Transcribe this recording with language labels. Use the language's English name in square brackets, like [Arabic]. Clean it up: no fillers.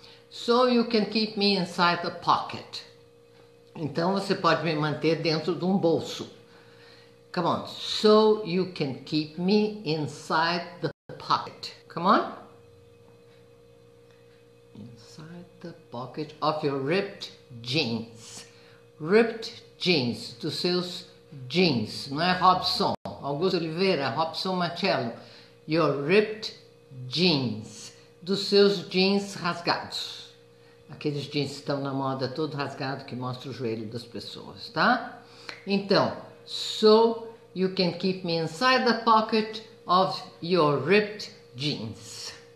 [English] So you can keep me inside the pocket. [Portuguese] Então, você pode me manter dentro de um bolso. [English] Come on. So you can keep me inside the pocket. Come on. Inside the pocket of your ripped jeans. Ripped jeans. [Portuguese] Dos seus jeans. Não é Robson. [English] Augusto Oliveira, Robson Marcello. Your ripped jeans. [Portuguese] Dos seus jeans rasgados. Aqueles jeans que estão na moda, todo rasgado, que mostra o joelho das pessoas, tá? [English] Então, so you can keep me inside the pocket of your ripped jeans.